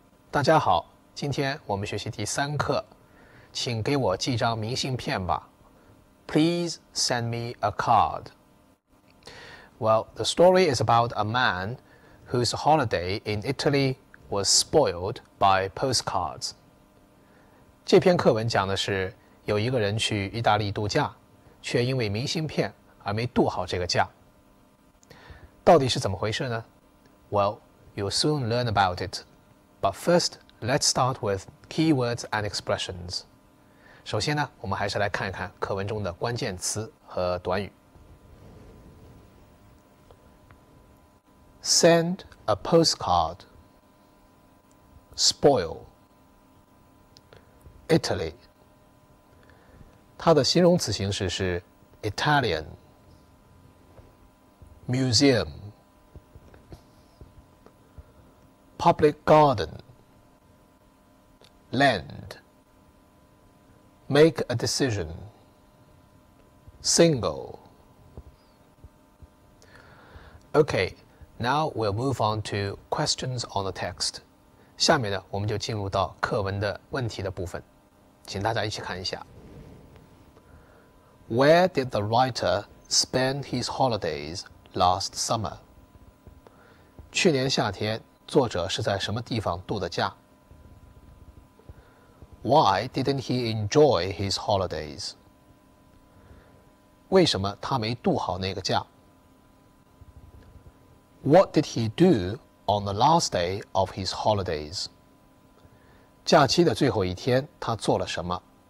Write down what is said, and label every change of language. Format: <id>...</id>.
<zh>大家好，今天我们学习第三课，请给我寄张明信片吧。</zh> <en>Please send me a card. Well, the story is about a man whose holiday in Italy was spoiled by postcards.</en> <zh>这篇课文讲的是有一个人去意大利度假，却因为明信片而没度好这个假。到底是怎么回事呢？</zh> <en>Well, you'll soon learn about it. But first, let's start with keywords and expressions.</en> <zh>首先呢，我们还是来看一看课文中的关键词和短语。</zh> <en>Send a postcard. Spoil. Italy.</en> <zh>它的形容词形式是</zh> <en>Italian, Museum, Public Garden, Land, Make a Decision, Single. Okay, now we'll move on to questions on the text.</en> <zh>下面呢，我们就进入到课文的问题的部分，请大家一起看一下。</zh> <en>Where did the writer spend his holidays last summer?</en> <zh>去年夏天，作者是在什么地方度的假？</zh> <en>Why didn't he enjoy his holidays?</en> <zh>为什么他没度好那个假？</zh> <en>What did he do on the last day of his holidays?</en> <zh>假期的最后一天，他做了什么？</zh>